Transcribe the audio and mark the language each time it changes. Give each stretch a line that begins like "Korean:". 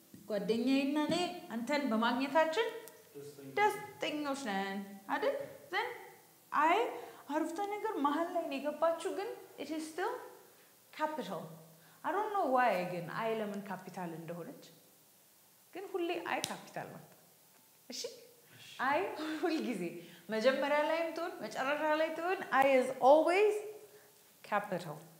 Amharic: ጓደኛዬ እና እኔ አንተን በማግኘታችን ደስተኞች ነን. አይደል?
English: Then I
Amharic: አርፍተ ነገር መሃል ላይ ነው የገባችሁ ግን
English: it is still capital. I don't know why again I ለምን capital እንደሆነች.
Amharic: ግን ሁሌ I capital ነው. እሺ? I ሁልጊዜ መጀመሪያ ላይም ትሁን መጨረሻ ላይ ትሁን
English: I is always capital.